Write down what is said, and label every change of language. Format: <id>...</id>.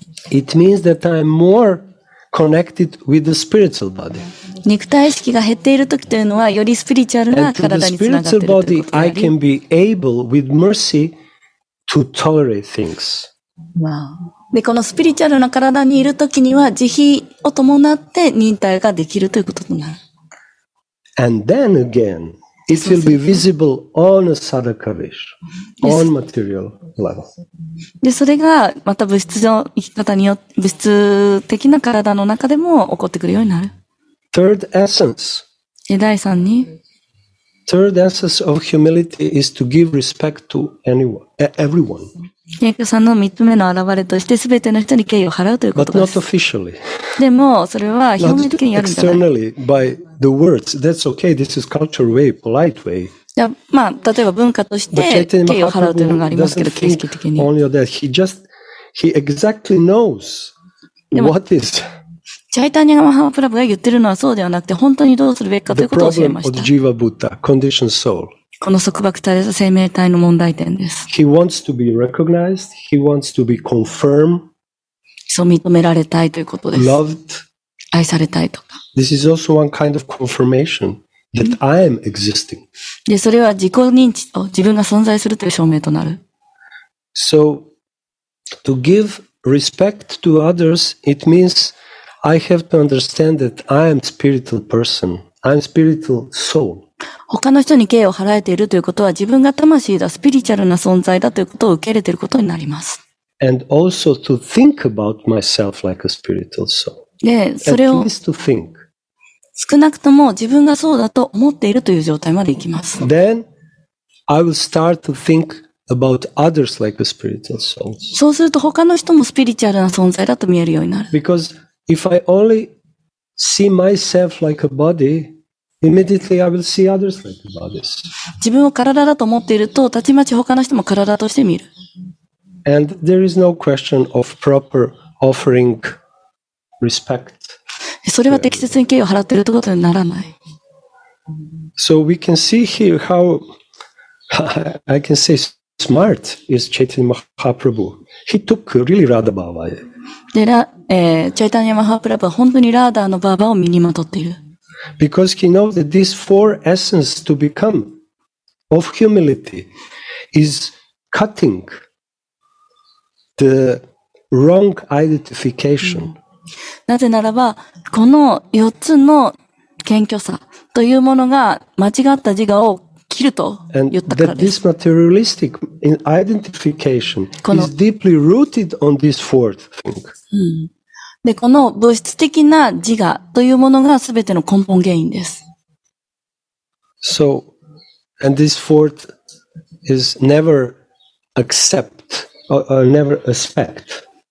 <en>It means that I'm more connected with the spiritual body.</en> <ja>肉体意識が減っている時というのは、よりスピリチュアルな体につながっているということであり。</ja> <en>And to the spiritual body, I can be able with mercy to tolerate things. Wow.</en> <ja>で、このスピリチュアルな体にいる時には、慈悲を伴って忍耐ができるということになる。</ja> <en>And then again, it will be visible on a sadhaka wish, on material level.</en> <ja>で、それがまた物質の生き方によって、物質的な体の中でも起こってくるようになる。</ja> <en>Third essence.</en> <ja>え、第三に?</ja> <en>Third essence of humility is to give respect to anyone, everyone.</en> <ja>謙虚さの三つ目の現れとして、すべての人に敬意を払うということです。</ja> <en>But not officially.</en> <ja>でも、それは表面的にやるんじゃない。</ja> <en>Not externally, by the words. That's okay, this is culture way, polite way.</en> <ja>いや、まあ、例えば文化として敬意を払うというのがありますけど、形式的に。</ja> <en>Only that he just, he exactly knows what is.</en> <ja>チャイタニア・マハプラブが言ってるのはそうではなくて、本当にどうするべきかということを教えました。ジーヴァ・ブッダ、</ja> <en>conditioned soul。</en> <ja>この束縛された生命体の問題点です。</ja> <en>He wants to be recognized, he wants to be confirmed.</en> <ja>そう認められたいということです。</ja> <en>Loved.</en> <ja>愛されたいとか。</ja> <en>This is also one kind of confirmation that I am existing.</en> <ja>で、それは自己認知と自分が存在するという証明となる。</ja> <en>So, to give respect to others, it means,I have to understand that I am a spiritual person. I'm a spiritual soul.</en> <ja>他の人に敬意を払えているということは、自分が魂だ、スピリチュアルな存在だということを受け入れていることになります。</ja> <en>And also to think about myself like a spiritual soul.</en> <ja>で、それを、</ja> <en>At least to think.</en> <ja>少なくとも自分がそうだと思っているという状態までいきます。</ja> <en>Then I will start to think about others like a spiritual souls.</en> <ja>そうすると他の人もスピリチュアルな存在だと見えるようになる。</ja> <en>Because If I only see myself like a body, immediately I will see others like bodies.</en> <ja>自分を体だと思っていると、たちまち他の人も体として見る。</ja> <en>And there is no question of proper offering respect.</en> <ja>それは適切に敬意を払っているということにならない。</ja> <en>So we can see here how I can say smart is Chaitanya Mahaprabhu. He took really Radha Bhava.</en> <ja>でチャイタニア・マハプラブは本当にラーダーのバーバーを身にまとっている。</ja> <en>Because he knows that these four essences to become of humility is cutting the wrong identification.、</en> <ja>うん、なぜならば、この四つの謙虚さというものが間違った自我を切ると言ったからです。</ja> <en>And that this materialistic identification is deeply rooted on this fourth thing.</en> <ja>うん、で、この物質的な自我というものが全ての根本原因です。</ja> <en>So, and this fourth is never accept or never expect.</en>